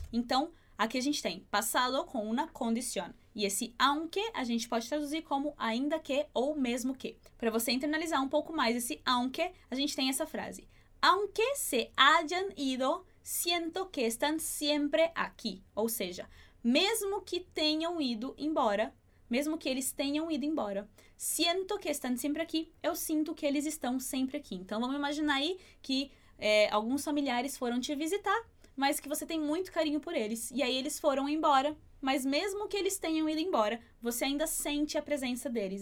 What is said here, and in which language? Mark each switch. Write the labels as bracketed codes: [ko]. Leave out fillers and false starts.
[pt] Então, aqui a gente tem [es] pasado [pt] com [es] una condición. [pt] E esse aunque a gente pode traduzir como ainda que ou mesmo que. Para você internalizar um pouco mais esse aunque, a gente tem essa frase. [es] Aunque se hayan ido, siento que están siempre aquí. [pt] Ou seja, mesmo que tenham ido embora, mesmo que eles tenham ido embora, [es] siento que están siempre aquí, [pt] eu sinto que eles estão sempre aqui. Então vamos imaginar aí que alguns familiares foram te visitar, mas que você tem muito carinho por eles. E aí eles foram embora, mas mesmo que eles tenham ido embora, você ainda sente a presença deles.